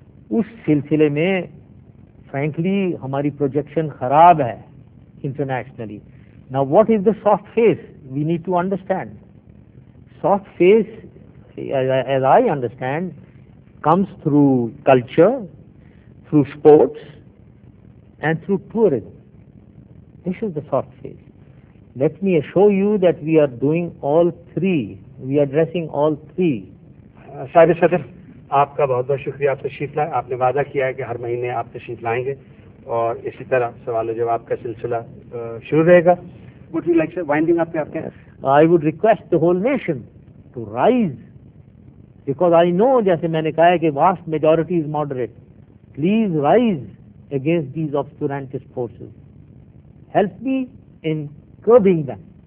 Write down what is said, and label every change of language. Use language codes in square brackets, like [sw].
[ur] اس سلسلے میں فرینکلی ہماری پروجیکشن خراب ہے انٹرنیشنلی. [en] نا what is the soft face? We need to understand soft face as I understand comes through culture, through sports and through tourism. This is the soft face. Let me assure you that we are doing all three. We are addressing all three. [ur] Sahib Sadr, آپ کا بہت بہت شکریہ. آپ تشریف لائے. آپ نے وعدہ کیا ہے کہ ہر مہینے آپ تشریف لائیں گے اور اسی طرح سوال و جواب کا سلسلہ شروع رہے گا. [en] Would you like to winding up your case? I would request the whole nation to rise because I know, [ur] جیسے میں نے کہا ہے کہ [en] vast majority is moderate. Please rise. against these obscurantist forces. Help me in curbing them.